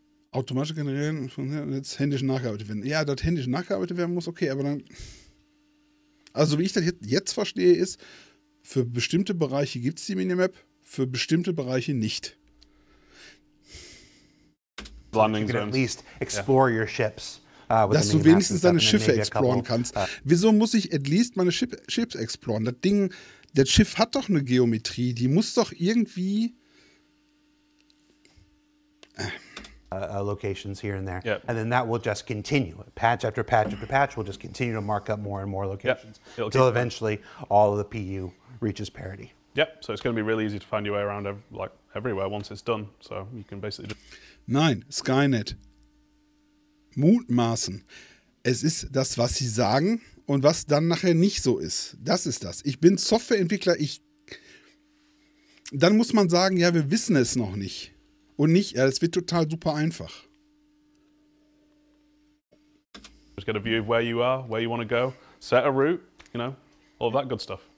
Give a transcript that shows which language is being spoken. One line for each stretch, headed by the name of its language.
German: Automatisch generieren und jetzt händisch nachgearbeitet werden. Ja, dass händisch nachgearbeitet werden muss, okay, aber dann... Also wie ich das jetzt verstehe, ist, für bestimmte Bereiche gibt es die Minimap, für bestimmte Bereiche nicht.
English: Landing zones. You can at least explore your ships.
German: Dass du wenigstens deine Schiffe exploren kannst. Wieso muss ich
English: at least
German: meine Ships exploren? Das Schiff hat doch eine Geometrie, die muss doch irgendwie...
English: Locations here and there, yep. And then that will just continue. Patch after patch after patch will just continue to mark up more and more locations until eventually all of the PU reaches parity. Yep. So it's going to be really easy to find your way around like everywhere once it's done. So you can basically just.
German: Nein, Skynet. Mutmaßen. Es ist das, was sie sagen und was dann nachher nicht so ist. Das ist das. Ich bin Softwareentwickler. Dann muss man sagen, ja, wir wissen es noch nicht. Und nicht, ja, es wird total super einfach.
English: Just get a view of where you are, where you want to go, set a route, you know, all that good stuff.